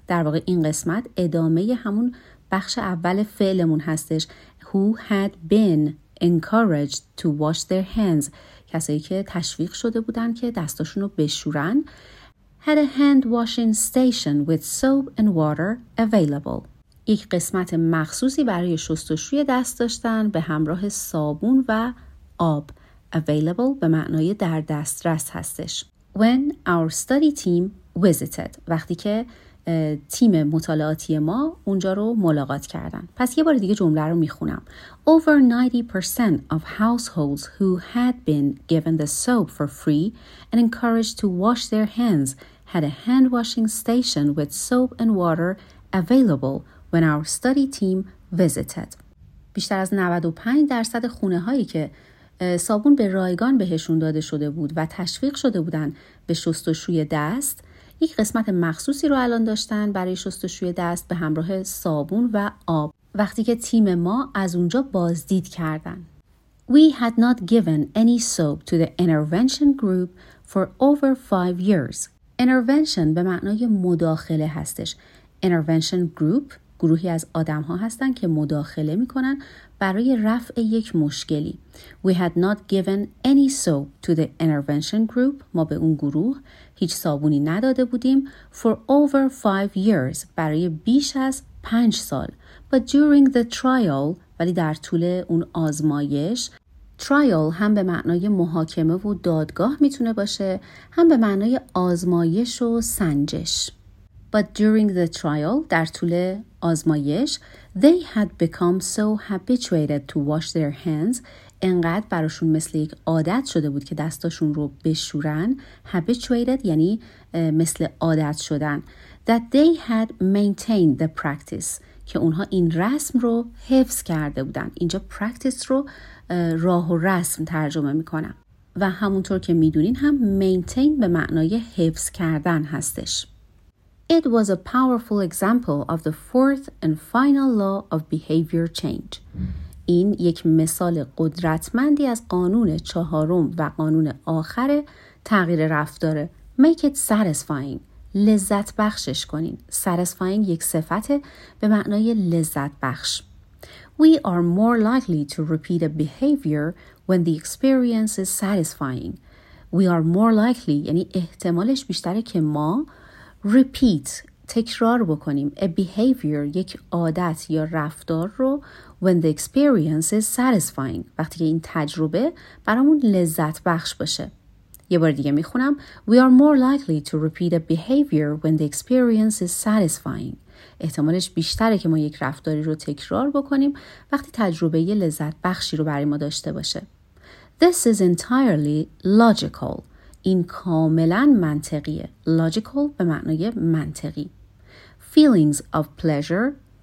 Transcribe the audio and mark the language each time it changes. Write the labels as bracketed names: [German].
[Persian] در واقع این قسمت ادامه همون بخش اول فعلمون هستش. [English] Who had been encouraged to wash their hands. [Persian] کسایی که تشویق شده بودن که دستاشون رو بشورن. [English] Had a hand washing station with soap and water available. [Persian] یک قسمت مخصوصی برای شستشوی دست داشتن به همراه صابون و آب. Available به معنای در دسترس هستش. [English] When our study team visited. [Persian] وقتی که تیم مطالعاتی ما اونجا رو ملاقات کردن. پس یه بار دیگه جمله رو میخونم. [English] Over 90% of households who had been given the soap for free and encouraged to wash their hands had a hand washing station with soap and water available when our study team visited. [Persian] بیشتر از 95% خونه هایی که صابون به رایگان بهشون داده شده بود و تشویق شده بودن به شستشوی دست، یک قسمت مخصوصی رو الان داشتن برای شستشوی دست به همراه صابون و آب. وقتی که تیم ما از اونجا بازدید کردن. [English] We had not given any soap to the intervention group for over 5 years. [Persian] Intervention به معنای مداخله هستش. Intervention group گروهی از آدم ها هستن که مداخله می کنن برای رفع یک مشکلی. [English] We had not given any soap to the intervention group. [Persian] ما به اون گروه هیچ صابونی نداده بودیم. [English] For over 5 years. [Persian] برای بیش از 5 سال. [English] But during the trial. [Persian] ولی در طول اون آزمایش. Trial هم به معنای محاکمه و دادگاه می تونه باشه. هم به معنای آزمایش و سنجش. [English] But during the trial. [Persian] در طول آزمایش. [English] They had become so habituated to wash their hands. [Persian] انقدر براشون مثل یک عادت شده بود که دستاشون رو بشورن. [English] Habituated [Persian] یعنی مثل عادت شدن. [English] That they had maintained the practice. [Persian] که اونها این رسم رو حفظ کرده بودن. اینجا practice رو راه و رسم ترجمه میکنم. و همونطور که میدونین هم maintain به معنای حفظ کردن هستش. [English] It was a powerful example of the fourth and final law of behavior change. [Persian] این یک مثال قدرتمندی از قانون چهارم و قانون آخر تغییر رفتاره. [English] Make it satisfying. [Persian] لذت بخشش کنین. Satisfying یک صفته به معنای لذت بخش. [English] We are more likely to repeat a behavior when the experience is satisfying. We are more likely [Persian] یعنی احتمالش بیشتره که ما repeat تکرار بکنیم [English] a behavior [Persian] یک عادت یا رفتار رو [English] when the experience is satisfying [Persian] وقتی که این تجربه برامون لذت بخش باشه. یه بار دیگه میخونم. [English] We are more likely to repeat a behavior when the experience is satisfying. [Persian] احتمالش بیشتره که ما یک رفتاری رو تکرار بکنیم وقتی تجربه یه لذت بخشی رو برای ما داشته باشه. [English] This is entirely logical. [Persian] این کاملا منطقیه. [English] Logical [Persian] به معنای منطقی. [English] Feelings of pleasure.